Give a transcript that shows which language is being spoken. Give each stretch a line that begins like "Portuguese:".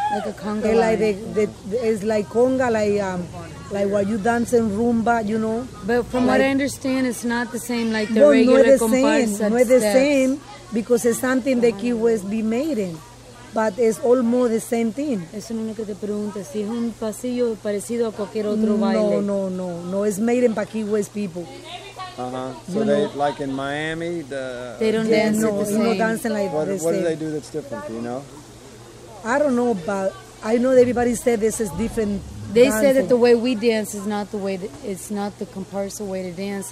English: Like a conga. It's like it's like conga, like while you dance in rumba, you know. But from what I understand, it's not the same like the regular comparsa. No, it's the same. No, it's the same because it's something that Key West be made in. But it's almost the same thing.
Spanish: Eso no es lo que te pregunto. Si es un pasillo parecido a cualquier otro baile. No.
English: It's made in Key West people. Uh-huh. So you know, they, like in Miami, the... They don't dance no, the same. No dancing like what, the same. What do they do that's different, do you know? I don't know, but I know everybody said this is different. They dancing. Say that the way we dance is not the way, that, it's not the comparsa way to dance.